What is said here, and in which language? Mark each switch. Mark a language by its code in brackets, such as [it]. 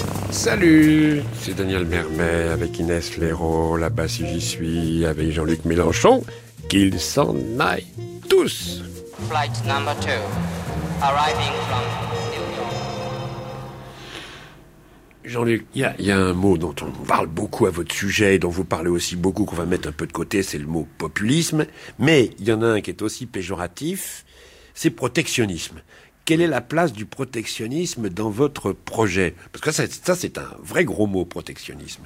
[fr] Salut, c'est Daniel Mermet avec Inès Leroy, là-bas si j'y suis, avec Jean-Luc Mélenchon, qu'ils s'en aillent tous. [en] Flight number 2, arriving from New York. [fr] Jean-Luc, y a un mot dont on parle beaucoup à votre sujet et dont vous parlez aussi beaucoup qu'on va mettre un peu de côté, c'est le mot populisme, mais il y en a un qui est aussi péjoratif, c'est protectionnisme. Quelle est la place du protectionnisme dans votre projet? Parce que ça, c'est un vrai gros mot, protectionnisme.